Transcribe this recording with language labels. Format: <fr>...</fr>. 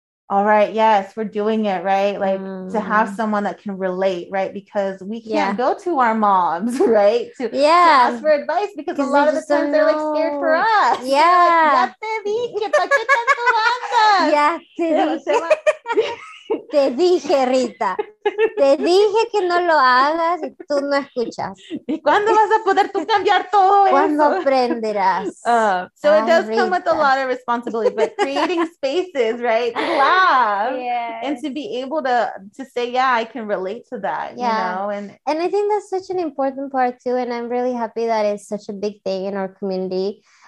<en>All right, yes, we're doing it, right? Like to have someone that can relate, right? Because we can't go to our moms, right? To ask for advice because a lot of the times they're like scared for us.</en> <es>Te dije, Rita. Te dije que no lo hagas y tú no escuchas. ¿Y cuándo vas a poder tú cambiar todo eso? ¿Cuándo aprenderás?</es> <en>So it does come with a lot of responsibility, but creating spaces, right, to laugh and to be able to say, yeah, I can relate to that, you know? And I think that's such an important part too, and I'm really happy that it's such a big thing in our community.</en>